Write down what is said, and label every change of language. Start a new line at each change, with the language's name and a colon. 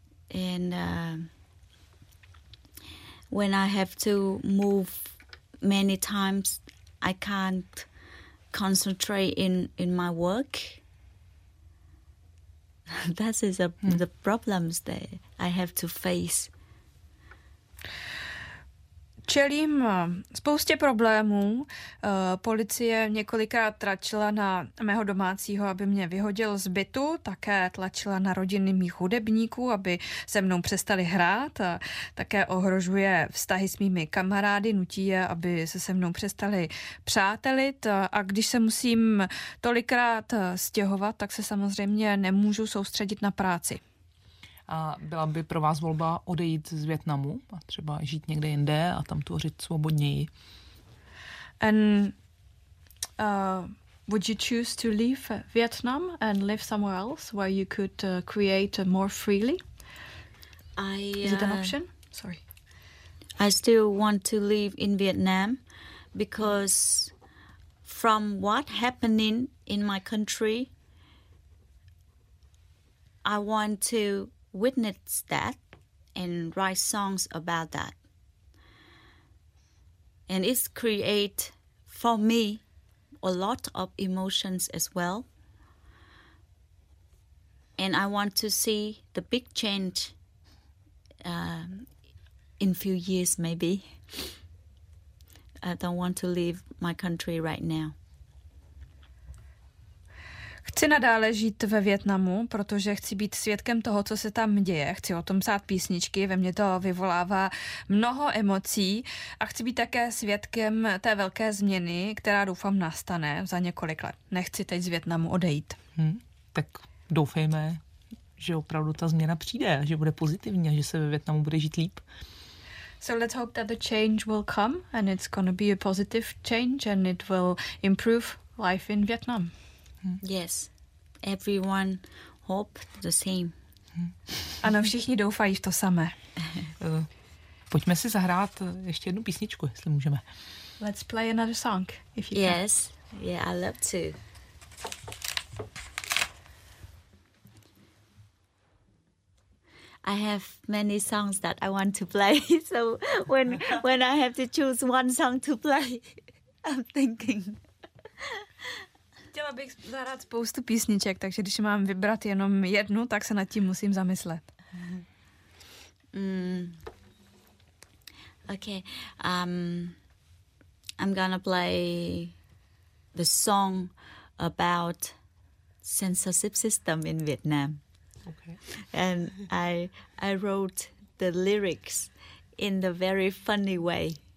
English: And when I have to move many times, I can't concentrate in my work. That is the problems that I have to face.
Czech: Čelím spoustě problémů. Policie několikrát tlačila na mého domácího, aby mě vyhodil z bytu. Také tlačila na rodiny mých hudebníků, aby se mnou přestali hrát. Také ohrožuje vztahy s mými kamarády, nutí je, aby se mnou přestali přátelit. A když se musím tolikrát stěhovat, tak se samozřejmě nemůžu soustředit na práci. A byla by pro vás volba odejít z Vietnamu a třeba žít někde jinde a tam tvořit svobodněji?
English: And would you choose to leave Vietnam and live somewhere else where you could create more freely? Is it an option? Sorry. I still want to live in Vietnam because from what happening in my country, I want to witness that and write songs about that. And it creates for me a lot of emotions as well. And I want to see the big change in a few years maybe. I don't want to leave my country right now.
Czech: Chci nadále žít ve Vietnamu, protože chci být svědkem toho, co se tam děje. Chci o tom psát písničky, ve mně to vyvolává mnoho emocí a chci být také svědkem té velké změny, která doufám nastane za několik let. Nechci teď z Vietnamu odejít. Tak doufejme, že opravdu ta změna přijde, že bude pozitivní a že se ve Vietnamu bude žít líp.
English: So let's hope that the change will come and it's gonna be a positive change and it will improve life in Vietnam. Yes, everyone hope the same.
Czech: Ano, všichni doufají v to samé. Pojďme si zahrát ještě jednu písničku, jestli můžeme.
English: Let's play another song, if you yes. can. Yes, yeah, I love to. I have many songs that I want to play, so when I have to choose one song to play, I'm thinking...
Czech: Chtěla bych zahrát spoustu písniček, takže když mám vybrat jenom jednu, tak se nad tím musím zamyslet.
English: Okay. I'm gonna play the song about censorship system in Vietnam. Okay. And I wrote the lyrics in the very funny way.